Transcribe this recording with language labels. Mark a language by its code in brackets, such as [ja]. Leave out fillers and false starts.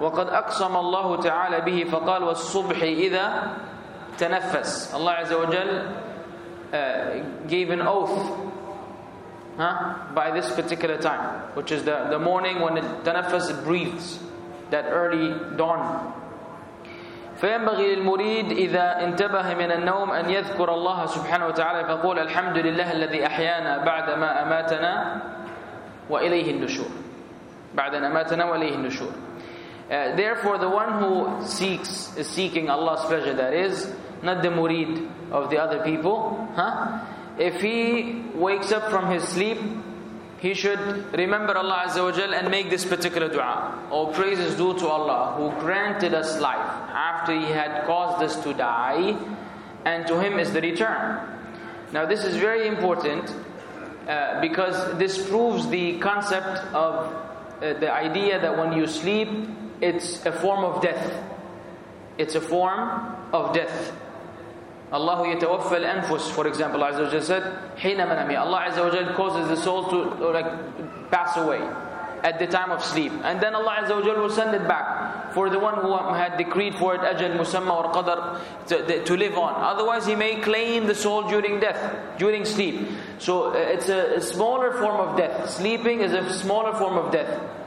[ar] وَقَدْ أَقْسَمَ اللَّهُ تَعَالَى بِهِ فَقَالَ وَالصُّبْحِ إِذَا تنفس. [en] Allah Azza wa Jal gave an oath by this particular time, which is the morning when التنفس breathes, that early dawn. [ar] فينبغي للمريد إذا انتبه من النوم أن يذكر الله سبحانه وتعالى فقول الحمد لله الذي أحيانا بعد ما أماتنا وإليه النشور. بعد أن أماتنا وإليه النشور. [en] Therefore, the one who is seeking Allah's pleasure, that is, not the murid of the other people. Huh? If he wakes up from his sleep, he should remember Allah Azza wa Jal and make this particular dua. All praise is due to Allah who granted us life after He had caused us to die, and to Him is the return. Now this is very important because this proves the concept of the idea that when you sleep, it's a form of death. It's a form of death. [ar] Allah يتوفى الأنفس, [en] for example, [ar] Allah عز وجل [en] said, [ar] حين منامي. [en] Allah عز وجل causes the soul to like pass away at the time of sleep, and then Allah عز وجل will send it back for the one who had decreed for it [ar] أجل مسمى [en] or قدر to live on. Otherwise, he may claim the soul during death, during sleep. So it's a smaller form of death. Sleeping is a smaller form of death.